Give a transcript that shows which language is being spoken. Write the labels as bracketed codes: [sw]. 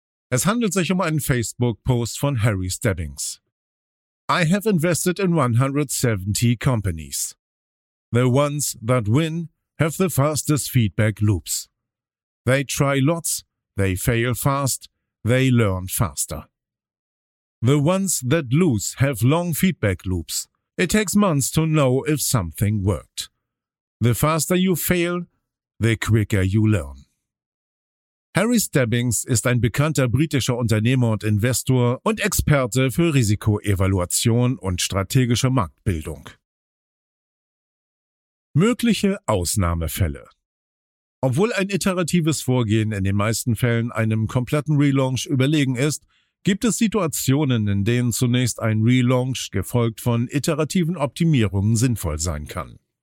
[de] Es handelt sich um einen Facebook-Post von Harry Stebbings. [en] I have invested in 170 companies. The ones that win have the fastest feedback loops. They try lots, they fail fast, they learn faster. The ones that lose have long feedback loops. It takes months to know if something worked. The faster you fail, the quicker you learn. [de] Harry Stebbings ist ein bekannter britischer Unternehmer und Investor und Experte für Risikoevaluation und strategische Marktbildung. Mögliche Ausnahmefälle. Obwohl ein iteratives Vorgehen in den meisten Fällen einem kompletten Relaunch überlegen ist, gibt es Situationen, in denen zunächst ein Relaunch gefolgt von iterativen Optimierungen sinnvoll sein kann.